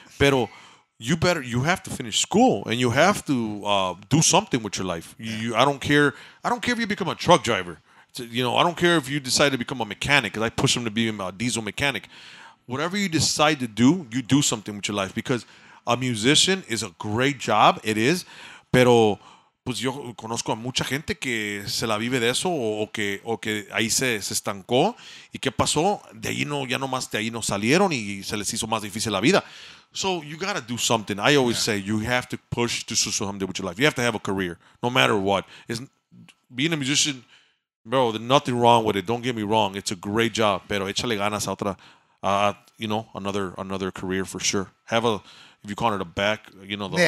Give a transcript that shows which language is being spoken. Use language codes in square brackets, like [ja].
[en] But you have to finish school, and you have to do something with your life. I don't care if you become a truck driver. You know, I don't care if you decide to become a mechanic, because I push him to be a diesel mechanic. Whatever you decide to do, you do something with your life, because a musician is a great job. It is. [es] Pero, pues yo conozco a mucha gente que se la vive de eso o que ahí se estancó. ¿Y qué pasó? De ahí no, ya nomás de ahí no salieron y se les hizo más difícil la vida. [en] So you got to do something. I always say you have to push to do something with your life. You have to have a career, no matter what. Being a musician... Bro, there's nothing wrong with it. Don't get me wrong. It's a great job. [es] Pero échale ganas a otra, [en] you know, another career for sure. Have a, if you call it a back, you know.